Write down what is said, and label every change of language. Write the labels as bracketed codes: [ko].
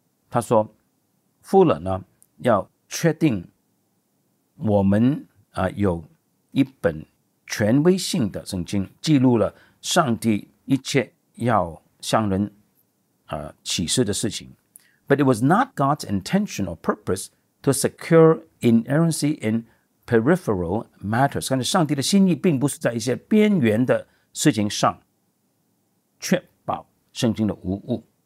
[zh] 他说 Fuller 呢，要确定我们有一本权威性的圣经，记录了上帝一切要向人启示的事情。 [en] But it was not God's intention or purpose to secure inerrancy in peripheral matters. [zh] 但是上帝的心意并不是在一些边缘的事情上确保圣经的无误。